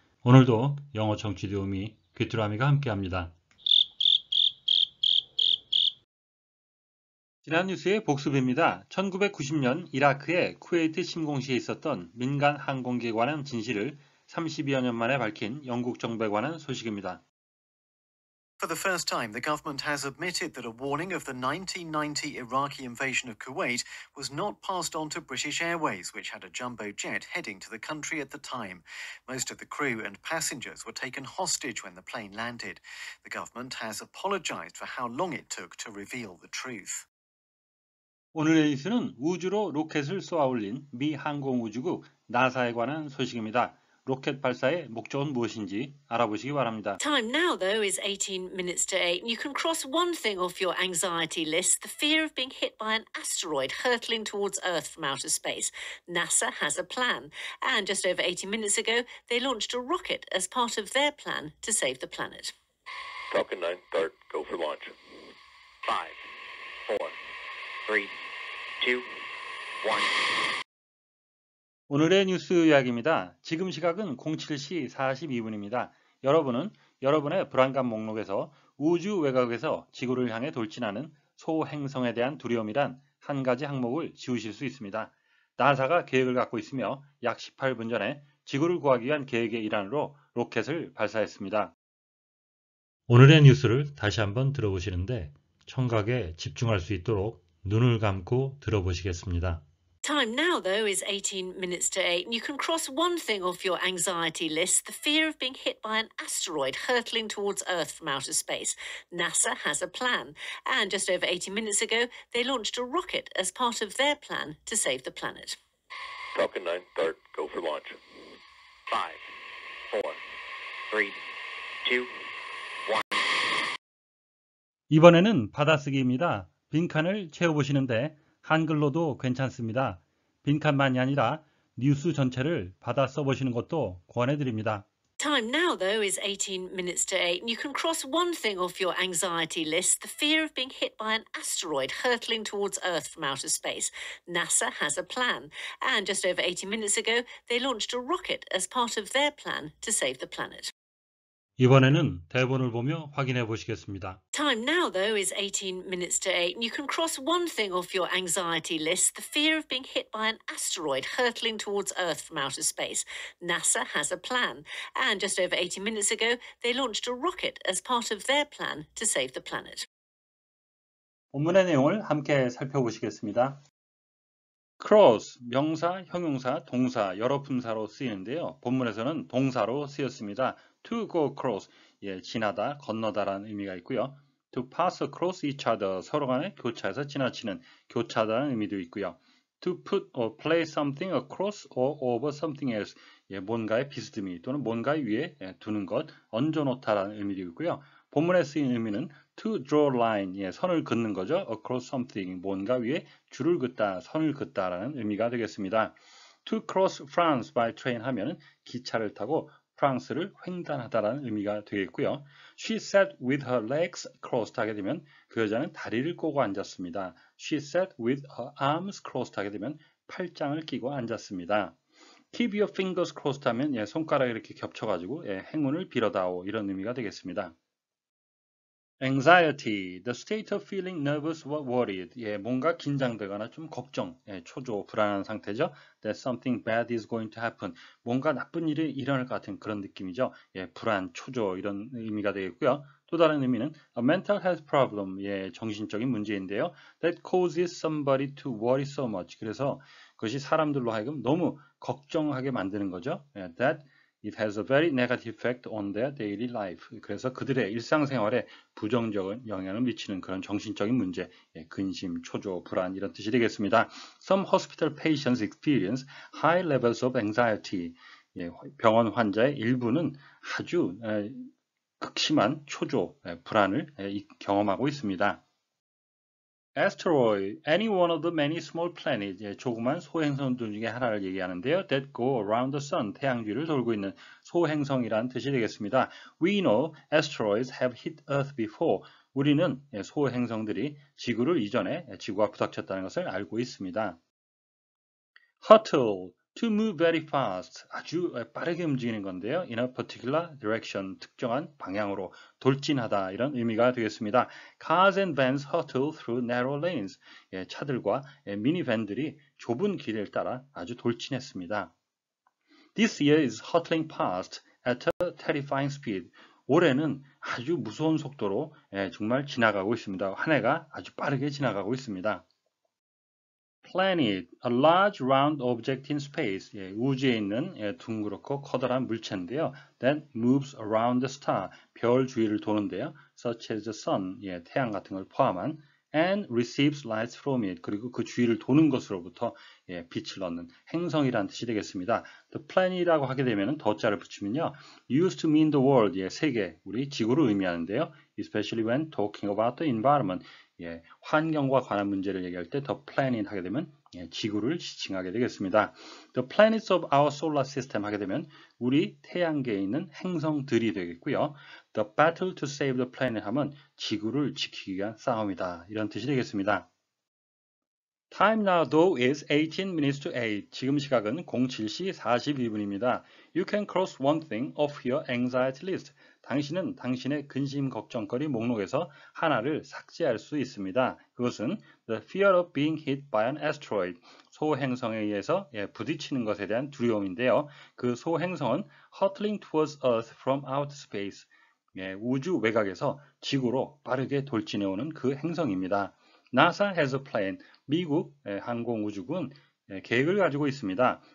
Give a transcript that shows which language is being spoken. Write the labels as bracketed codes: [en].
[ko] 오늘도 영어 청취 도우미 귀뚜라미가 함께합니다. 지난 뉴스의 복습입니다. 1990년 이라크의 쿠웨이트 침공시에 있었던 민간 항공기에 관한 진실을 32여 년 만에 밝힌 영국 정부에 관한 소식입니다. [en] For the first time, the government has admitted that a warning of the 1990 Iraqi invasion of Kuwait was not passed on to British Airways, which had a jumbo jet heading to the country at the time. Most of the crew and passengers were taken hostage when the plane landed. The government has apologized for how long it took to reveal the truth. [ko] 오늘의 뉴스는 우주로 로켓을 쏘아 올린 미 항공우주국 나사에 관한 소식입니다. 로켓 발사의 목적은 무엇인지 알아보시기 바랍니다. [en] Time now, though, is 18 minutes to 8. You can cross one thing off your anxiety list, the fear of being hit by an asteroid hurtling towards Earth from outer space. NASA has a plan. And just over 18 minutes ago, they launched a rocket as part of their plan to save the planet. Falcon 9, start, go for launch. 5, 4, 3, 2, 1. [ko] 오늘의 뉴스 요약입니다. 지금 시각은 07시 42분입니다. 여러분은 여러분의 불안감 목록에서 우주 외곽에서 지구를 향해 돌진하는 소행성에 대한 두려움이란 한 가지 항목을 지우실 수 있습니다. 나사가 계획을 갖고 있으며 약 18분 전에 지구를 구하기 위한 계획의 일환으로 로켓을 발사했습니다. 오늘의 뉴스를 다시 한번 들어보시는데 청각에 집중할 수 있도록 눈을 감고 들어보시겠습니다. [en] Time now, though, is 18 minutes to 8. You can cross one thing off your anxiety list, the fear of being hit by an asteroid hurtling towards Earth from outer space. NASA has a plan. And just over 18 minutes ago, they launched a rocket as part of their plan to save the planet. Falcon 9, start, go for launch. 5, 4, 3, 2, 1. [ko] 이번에는 받아쓰기입니다. 빈칸을 채워보시는데 한글로도 괜찮습니다. 빈칸만이 아니라 뉴스 전체를 받아 써보시는 것도 권해드립니다. [en] Time now, though, is 18 minutes to 8. You can cross one thing off your anxiety list, the fear of being hit by an asteroid hurtling towards Earth from outer space. NASA has a plan. And just over 18 minutes ago, they launched a rocket as part of their plan to save the planet. [ko] 이번에는 대본을 보며 확인해 보시겠습니다. [en] Time now, though, is 18 minutes to 8. You can cross one thing off your anxiety list, the fear of being hit by an asteroid hurtling towards Earth from outer space. NASA has a plan. And just over 18 minutes ago, they launched a rocket as part of their plan to save the planet. [ko] 본문의 내용을 함께 살펴보시겠습니다. Cross, 명사, 형용사, 동사, 여러 품사로 쓰이는데요. 본문에서는 동사로 쓰였습니다. [en] To go across, [ko] 예, 지나다, 건너다라는 의미가 있고요. [en] To pass across each other, [ko] 서로 간에 교차해서 지나치는, 교차다라는 의미도 있고요. [en] To put or place something across or over something else, [ko] 예, 뭔가의 비스듬히 또는 뭔가 위에 예, 두는 것, 얹어놓다라는 의미도 있고요. 본문에 쓰인 의미는 [en] to draw line, [ko] 예, 선을 긋는 거죠. [en] Across something, [ko] 뭔가 위에 줄을 긋다, 선을 긋다라는 의미가 되겠습니다. [en] To cross France by train [ko] 하면 기차를 타고 프랑스를 횡단하다라는 의미가 되겠고요. [en] She sat with her legs crossed [ko] 하게 되면 그 여자는 다리를 꼬고 앉았습니다. [en] She sat with her arms crossed [ko] 하게 되면 팔짱을 끼고 앉았습니다. [en] Keep your fingers crossed [ko] 하면 예, 손가락을 이렇게 겹쳐가지고 예, 행운을 빌어다오 이런 의미가 되겠습니다. [en] Anxiety, the state of feeling nervous or worried. [ko] 예, 뭔가 긴장되거나 좀 걱정, 예, 초조, 불안한 상태죠. [en] That something bad is going to happen. [ko] 뭔가 나쁜 일이 일어날 것 같은 그런 느낌이죠. 예, 불안, 초조 이런 의미가 되겠고요. 또 다른 의미는 [en] a mental health problem. [ko] 예, 정신적인 문제인데요. [en] That causes somebody to worry so much. [ko] 그래서 그것이 사람들로 하여금 너무 걱정하게 만드는 거죠. [en] 예, that It has a very negative effect on their daily life. [ko] 그래서 그들의 일상생활에 부정적인 영향을 미치는 그런 정신적인 문제, 예, 근심, 초조, 불안 이런 뜻이 되겠습니다. [en] Some hospital patients experience high levels of anxiety. [ko] 예, 병원 환자의 일부는 아주 예, 극심한 초조, 예, 불안을 예, 경험하고 있습니다. [en] Asteroid, any one of the many small planets, [ko] 조그만 소행성들 중에 하나를 얘기하는데요. [en] That go around the sun, [ko] 태양계를 돌고 있는 소행성이란 뜻이 되겠습니다. [en] We know asteroids have hit Earth before. [ko] 우리는 소행성들이 지구를 이전에 지구와 부닥쳤다는 것을 알고 있습니다. [en] Hurtle, to move very fast, [ko] 아주 빠르게 움직이는 건데요. [en] In a particular direction, [ko] 특정한 방향으로 돌진하다 이런 의미가 되겠습니다. [en] Cars and vans hurtle through narrow lanes, [ko] 차들과 미니밴들이 좁은 길을 따라 아주 돌진했습니다. [en] This year is hurtling past at a terrifying speed. [ko] 올해는 아주 무서운 속도로 정말 지나가고 있습니다. 한 해가 아주 빠르게 지나가고 있습니다. [en] Planet, a large round object in space, [ko] 우주에 있는 둥그렇고 커다란 물체인데요. [en] That moves around the star, [ko] 별 주위를 도는데요. [en] Such as the sun, [ko] 태양 같은 걸 포함한. [en] And receives light from it, [ko] 그리고 그 주위를 도는 것으로부터 빛을 얻는 행성이라는 뜻이 되겠습니다. The planet이라고 하게 되면 덧자를 붙이면요. [en] Used to mean the world, [ko] 세계, 우리 지구를 의미하는데요. [en] Especially when talking about the environment, [ko] 환경과 관한 문제를 얘기할 때 the planet 하게 되면 지구를 지칭하게 되겠습니다. [en] The planets of our solar system [ko] 하게 되면 우리 태양계에 있는 행성들이 되겠고요. [en] The battle to save the planet [ko] 하면 지구를 지키기 위한 싸움이다 이런 뜻이 되겠습니다. [en] Time now though is 18 minutes to 8. [ko] 지금 시각은 07시 42분입니다. [en] You can cross one thing off your anxiety list. [ko] 당신은 당신의 근심 걱정거리 목록에서 하나를 삭제할 수 있습니다. [en] 그것은 the fear of being hit by an asteroid, [ko] 소행성에 의해서 부딪히는 것에 대한 두려움인데요. 그 소행성은 [en] hurtling towards Earth from outer space, [ko] 우주 외곽에서 지구로 빠르게 돌진해오는 그 행성입니다. [en] NASA has a plan, [ko] 미국 항공우주군 계획을 가지고 있습니다.